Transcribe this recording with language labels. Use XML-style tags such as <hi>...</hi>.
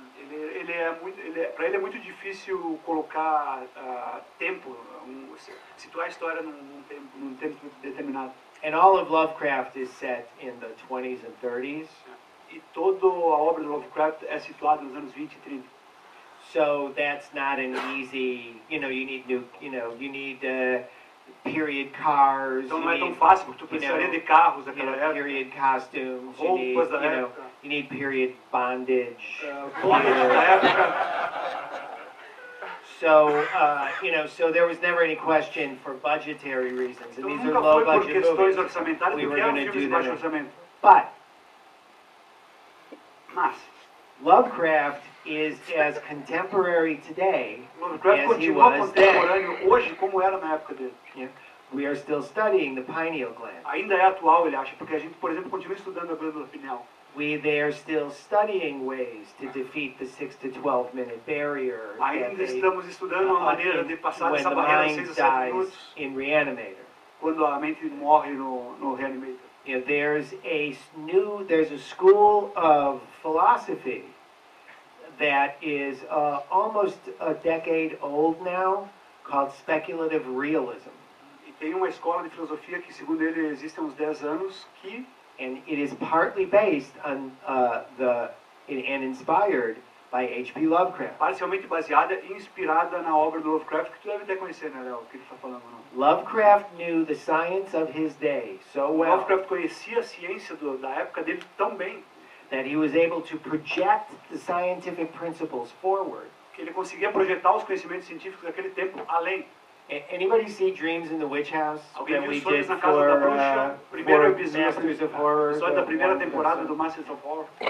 <pt>Ele é muito difícil colocar tempo, situar a história num tempo determinado.</pt> <en>And all of Lovecraft is set in the 20s and 30s.</en> <pt>E toda a obra de Lovecraft é situada nos anos 20 e 30.</pt> <en>So that's not an easy, you know, you need period cars.</en> <pt>Então não é tão fácil, porque tu precisaria de carros daquela época.</pt> <en>Period costumes,</en> <pt>roupas da época.</pt> <en>You need period bondage.</en> <pt>Bondage da época.</pt> <en>So there was never any question for budgetary reasons. And these are low budget movies.</en> <pt>Então nunca foi por questões orçamentárias, porque é um filme de baixo orçamento. Mas</pt> <en>Lovecraft is as contemporary today as he was then. We are still studying the pineal gland.</en> <pt>Ainda é atual, ele acha, porque a gente, por exemplo, continua estudando a glândula pineal.</pt> <en>They are still studying ways to defeat the 6 to 12 minute barrier.</en> <pt>Ainda estamos estudando uma maneira de passar essa barreira de 6 a 7 minutos.</pt> <en>In reanimator.</en> <pt>Quando a mente morre no reanimator.</pt> <en>Yeah, there's a school of philosophy that is almost a decade old now, called speculative realism.</en> <pt>E tem uma escola de filosofia que, segundo ele, existe há uns 10 anos, que...</pt> <en>And it is partly based on and inspired by H.P. Lovecraft.</en> <pt>Parcialmente baseada e inspirada na obra do Lovecraft, que tu deve até conhecer, né, Léo, o que ele está falando, não?</pt> <en>Lovecraft knew the science of his day so well.</en> <pt>Lovecraft conhecia a ciência da época dele tão bem.</pt> <en>That he was able to project the scientific principles forward.</en> <pt>Que ele conseguia projetar os conhecimentos científicos daquele tempo além.</pt> <en>Anybody see Dreams in the Witch House?</en> <pt>Alguém viu Sonhos na Casa da Bruxa? Primeiro episódio da primeira temporada do Masters of Horror.</pt>